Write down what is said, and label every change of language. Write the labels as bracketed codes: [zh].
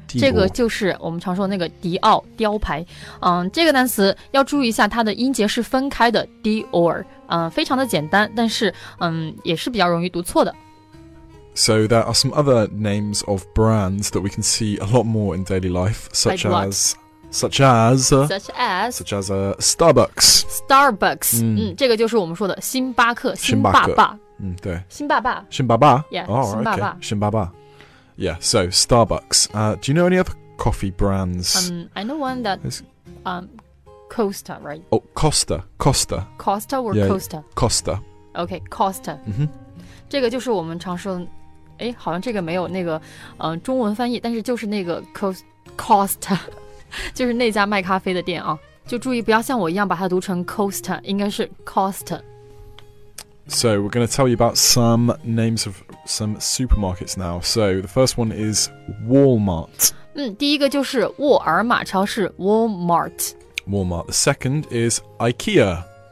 [zh] 这个就是我们常说那个迪奥雕牌、这个单词要注意一下它的音节是分开的 Dior、非常的简单但是、也是比较容易读错的 [en] So there are some other names of brands that we can see a lot more in daily life, such like as, Such as Starbucks. Starbucks. [zh] 这个就是我们说的星巴克，星爸爸。对。星爸爸。星爸爸。 [en] Yeah, oh, [zh] 星爸爸。 [en] Okay. 星爸爸。Yeah, so Starbucks. Do you know any other coffee brands? I know one that... Costa, right? Oh, Costa. Costa. Costa or yeah, Costa? Costa. Okay, Costa. Mm-hmm. [zh] 这个就是我们常说的哎，好像这个没有那个，中文翻译，但是就是那个 Costa， 就是那家卖咖啡的店啊。就注意不要像我一样把它读成 Costa， 应该是 Costa。 [en] So we're going to tell you about some names of some supermarkets now. So the first one is Walmart. [zh] 第一个就是沃尔玛超市 Walmart. [en] Walmart. The second is IKEA.